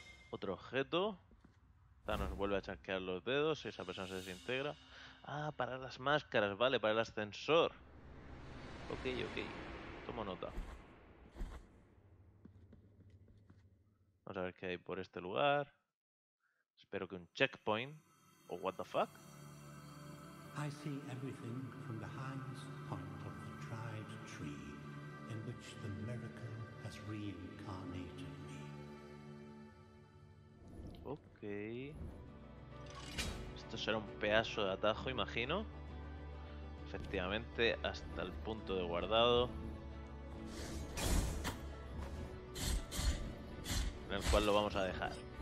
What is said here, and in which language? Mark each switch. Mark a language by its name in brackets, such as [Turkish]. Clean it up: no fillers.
[Spanish] Otro objeto. Thanos vuelve a chasquear los dedos. Esa persona se desintegra. Ah, para las máscaras. Vale, para el ascensor. Ok, ok. Tomo nota. Vamos a ver qué hay por este lugar. Espero que un checkpoint. O [English] what the fuck. I see everything from the highest point of the tried tree in which the miracle has reincarnated. Ok. [Spanish] Esto será un pedazo de atajo, imagino. Efectivamente, hasta el punto de guardado. En el cual lo vamos a dejar.